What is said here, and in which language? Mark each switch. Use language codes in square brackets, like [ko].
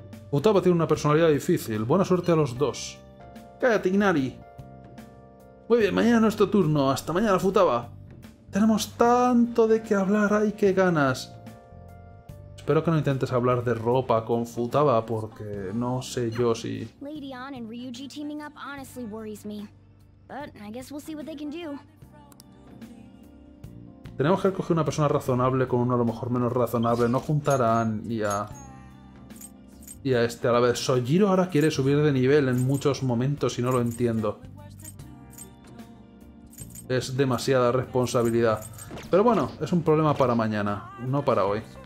[es] Futaba tiene una personalidad difícil. Buena suerte a los dos. ¡Cállate, Inari! Muy bien, mañana es nuestro turno. ¡Hasta mañana, Futaba! Tenemos tanto de qué hablar. ¡Ay, qué ganas! Espero que no intentes hablar de ropa con Futaba, porque no sé yo si... [en] Lady An y Ryuji teaming up honestly worries me. But I guess we'll see what they can do. [es] Tenemos que escoger una persona razonable con uno a lo mejor menos razonable. No juntar a Anne y a este a la vez. Sojiro ahora quiere subir de nivel en muchos momentos y no lo entiendo. Es demasiada responsabilidad. Pero bueno, es un problema para mañana, no para hoy.